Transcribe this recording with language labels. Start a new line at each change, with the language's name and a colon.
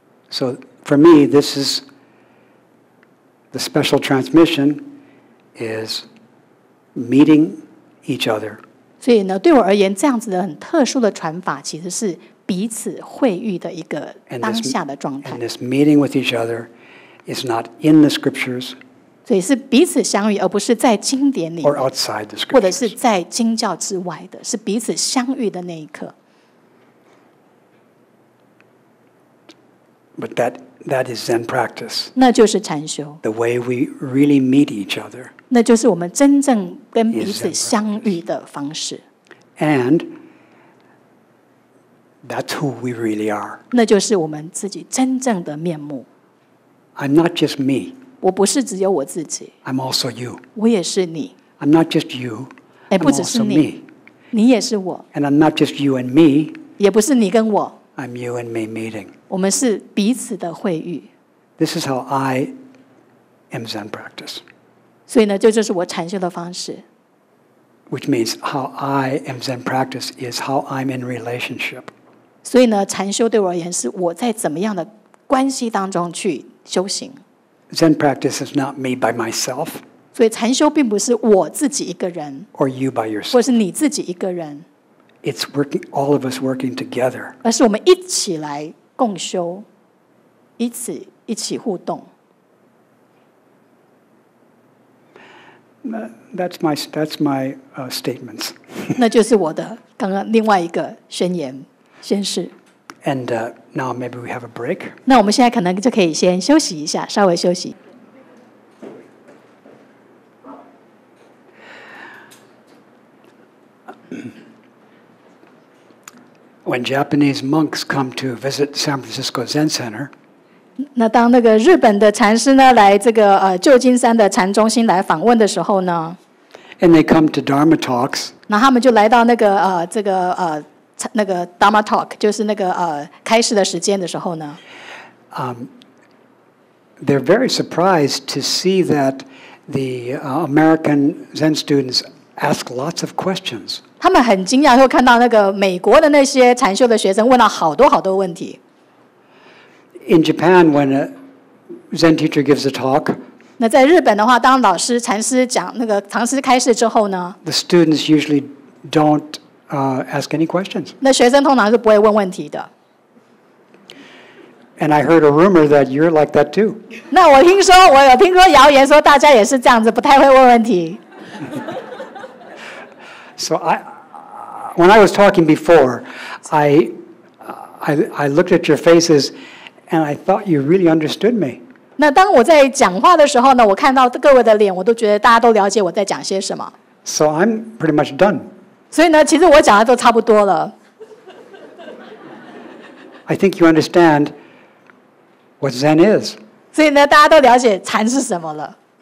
English: So for me, this is the special transmission is meeting each other.
Chinese: 所以呢，对我而言，这样子的很特殊的传法，其实是彼此会遇的一个当下的状态。
English: And this meeting with each other is not in the scriptures.
Chinese: 所以是彼此相遇，而不是在经典里。
English: Or outside the scriptures.
Chinese: 或者是在经教之外的，是彼此相遇的那一刻。
English: But that is Zen practice.
Chinese: 那就是禅修。
English: The way we really meet each other.
Chinese: 那就是我们真正跟彼此相遇的方式。
English: And that's who we really are.
Chinese: 那就是我们自己真正的面目。
English: I'm not just me.
Chinese: 我不是只有我自己。
English: I'm also you.
Chinese: 我也是你。
English: I'm not just you.
Chinese: 哎，不只是你。你也是我。
English: And I'm not just you and me.
Chinese: 也不是你跟我。
English: I'm you and me meeting.
Chinese: 我们是彼此的会遇。
English: This is how I am Zen practice.
Chinese: 所以呢，这就是我禅修的方式。
English: Which means how I am Zen practice is how I'm in relationship.
Chinese: 所以呢，禅修对我而言是我在怎么样的关系当中去修行。
English: Zen practice is not me by myself.
Chinese: 所以禅修并不是我自己一个人。
English: Or you by yourself.
Chinese: 或是你自己一个人。
English: It's working. All of us working together.
Chinese: 而是我们一起来共修，一起互动。
English: That's my statements.
Chinese: 那就是我的刚刚另外一个宣言宣誓。
English: And now maybe we have a break.
Chinese: 那我们现在可能就可以先休息一下，稍微休息。
English: When Japanese monks come to visit San Francisco Zen Center,
Chinese: 那当那个日本的禅师呢来这个旧金山的禅中心来访问的时候呢
English: ，and they come to Dharma talks，
Chinese: 那他们就来到那个这个那个 Dharma talk， 就是那个开始的时间的时候呢
English: ，they're very surprised to see that the American Zen students ask lots of questions。
Chinese: 他们很惊讶，会看到那个美国的那些禅修的学生问了好多好多问题。
English: In Japan, when a Zen teacher gives a talk,
Chinese: 那在日本的话，当老师禅师讲那个禅师开示之后呢
English: ，the students usually don't ask any questions.
Chinese: 那学生通常是不会问问题的。
English: And I heard a rumor that you're like that too.
Chinese: 那我听说，我有听说谣言说大家也是这样子，不太会问问题。
English: So when I was talking before, I looked at your faces, and I thought you really understood me.
Chinese: 那当我在讲话的时候呢，我看到各位的脸，我都觉得大家都了解我在讲些什么。
English: So I'm pretty much done.
Chinese: 所以呢，其实我讲的都差不多了。
English: I think you understand what Zen is.
Chinese: 所以呢，大家都了解禅是什么了。